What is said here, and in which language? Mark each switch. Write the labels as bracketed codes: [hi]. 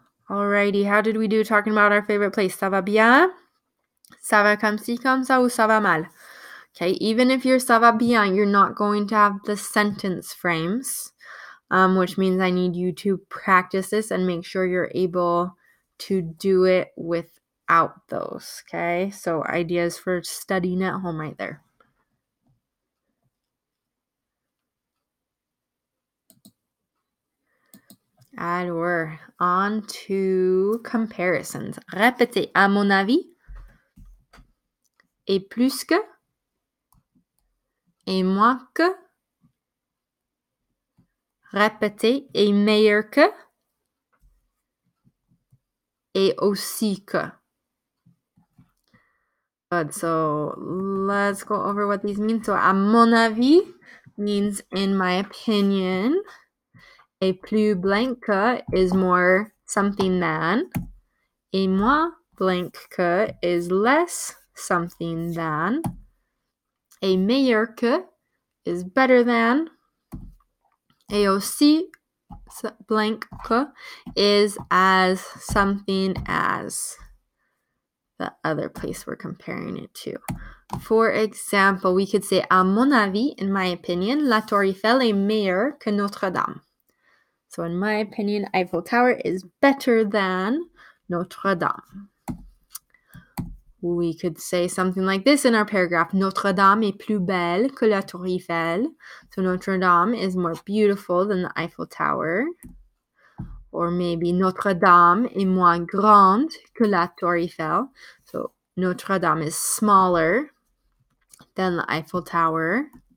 [en] Alrighty, how did we do talking about our favorite place? [fr] Ça va bien? Ça va comme ci, comme ça, ou ça va mal? [en] Okay, even if you're [fr] ça va bien, [en] you're not going to have the sentence frames, which means I need you to practice this and make sure you're able to do it without those, okay? So ideas for studying at home right there. Alors, on to comparisons. [fr] Répétez, à mon avis, et plus que, et moins que, répétez, et meilleur que, et aussi que. [en] Good, so let's go over what these mean. So, [fr] à mon avis [en] means in my opinion. [fr] Et plus blank que [en] is more something than. Et moins blank que is less something than. Et meilleur que is better than. Et aussi blank que is as something as the other place we're comparing it to. For example, we could say, [fr] à mon avis, [en] in my opinion, [fr] la Tour Eiffel est meilleure que Notre-Dame. [en] So in my opinion, Eiffel Tower is better than Notre Dame. We could say something like this in our paragraph. [fr] Notre Dame est plus belle que la Tour Eiffel. [en] So Notre Dame is more beautiful than the Eiffel Tower. Or maybe [fr] Notre Dame est moins grande que la Tour Eiffel. [en] So Notre Dame is smaller than the Eiffel Tower.